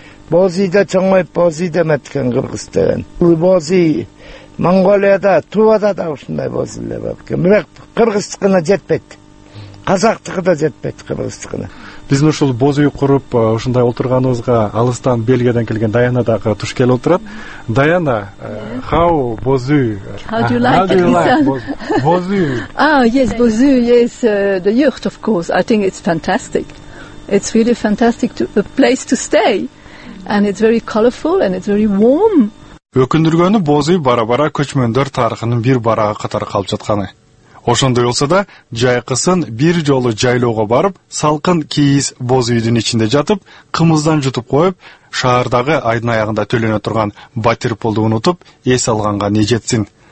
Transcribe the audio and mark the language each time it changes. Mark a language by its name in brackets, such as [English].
[Kyrgyz] Боз үйдө чоңоюп боз үй деметкен кыргыз деген. Бул боз үй Монголияда, Тувада да ушундай боз үйлөр бар экен. Бирок кыргыздыкына жетпейт. Казактыкы да жетпейт кыргыздыкына. Биздин ушул боз үй куруп ушундай отурганыбызга алыстан Бельгиядан келген Даяна дагы туш келип отурат. [English] Даяна, how боз үй? How do you like боз үй? Ah, yes, боз үй, yes, the yurt of course. I think it's fantastic. It's really fantastic to, a place to stay. And it's very colorful and it's very warm. [Kyrgyz] Өкүндүргөнү боз үй бара-бара көчмөндөр тарыхынын бир барагы катары калып жатканы. Ошондой болсо да, жайкысын бир жолу жайлоого барып, салкын кийиз боз үйдүн ичинде жатып, кымыздан жутуп коюп, шаардагы айдын аягында төлөнө турган батир пулду унутуп, эс алганга не жетсин.